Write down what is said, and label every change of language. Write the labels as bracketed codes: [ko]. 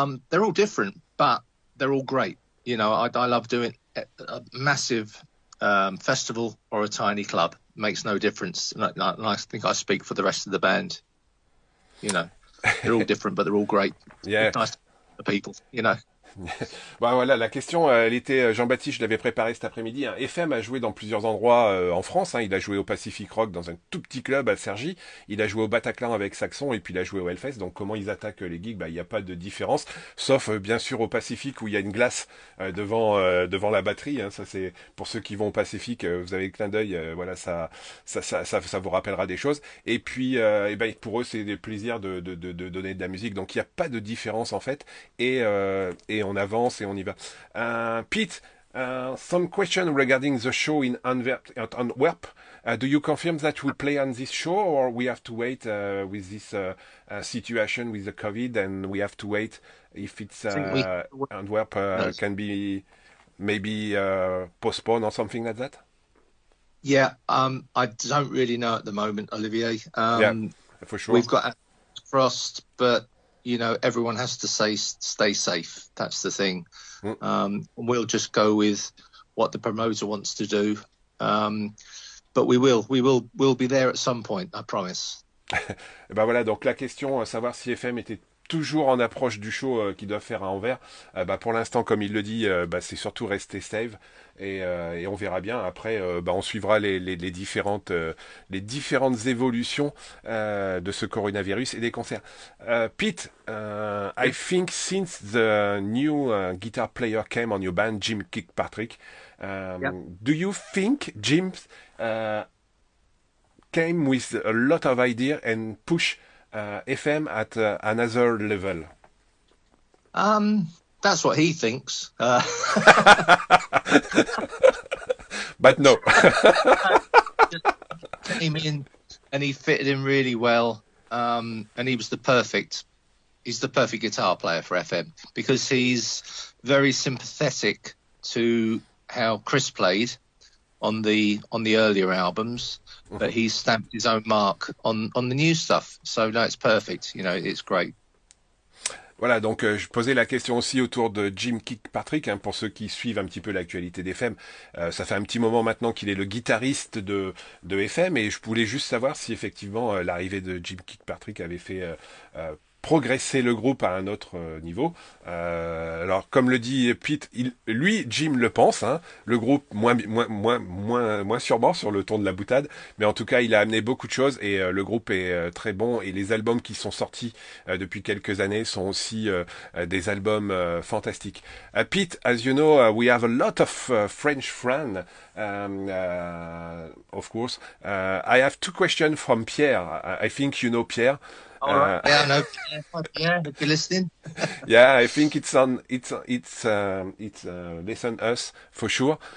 [en] They're all different, but they're all great. You know, I love doing a massive festival or a tiny club. It makes no difference. And I think I speak for the rest of the band. You know, they're all different, but they're all great. Yeah. It's nice to the people, you know. [fr] Bon, voilà, la question, elle était, Jean-Baptiste, je l'avais préparé cet après-midi, hein. FM a joué dans plusieurs endroits en France, hein. Il a joué au Pacific Rock dans un tout petit club à Cergy, il a joué au Bataclan avec Saxon et puis il a joué au Hellfest. Donc comment ils attaquent les gigs, il n'y a pas de différence, sauf bien sûr au Pacifique où il y a une glace devant la batterie, hein. Ça c'est pour ceux qui vont au Pacifique, vous avez le clin d'œil, voilà, ça vous rappellera des choses. Et puis pour eux c'est des plaisirs de donner de la musique, donc il n'y a pas de différence en fait, et on avance et on y va. [en] Pete, some question regarding the show in Antwerp. Do you confirm that we play on this show or we have to wait with this situation with the COVID and we have to wait if it's Antwerp can be maybe postponed or something like that? Yeah, I don't really know at the moment, Olivier. Yeah, for sure. We've got Frost, but you know, everyone has to say stay safe. That's the thing. We'll just go with what the promoter wants to do. But we'll be there at some point, I promise. [fr] Ben voilà, donc la question, savoir si FM était toujours en approche du show qu'ils doivent faire à Anvers. Pour l'instant, comme il le dit, c'est surtout rester safe. Et on verra bien. Après, on suivra les différentes évolutions de ce coronavirus et des concerts. [en] Pete, I think since the new guitar player came on your band, Jim Kirkpatrick, do you think Jim came with a lot of ideas and push FM at another level? That's what he thinks. But no. Came in and he fitted in really well. And he was he's the perfect guitar player for FM because he's very sympathetic to how Chris played on the earlier albums, but he stamped his own mark on the new stuff. So no, it's perfect. You know, it's great. [fr] Voilà, donc je posais la question aussi autour de Jim Kirkpatrick, hein, pour ceux qui suivent un petit peu l'actualité d'FM. Ça fait un petit moment maintenant qu'il est le guitariste de FM, et je voulais juste savoir si effectivement l'arrivée de Jim Kirkpatrick avait fait progresser le groupe à un autre niveau. Alors, comme le dit Pete, Jim le pense, hein, le groupe moins sûrement sur le ton de la boutade, mais en tout cas, il a amené beaucoup de choses et le groupe est très bon et les albums qui sont sortis depuis quelques années sont aussi des albums fantastiques. [en] Pete, as you know, we have a lot of French friends, of course. I have two questions from Pierre. I think you know Pierre. Yeah, I think it's listen us for sure.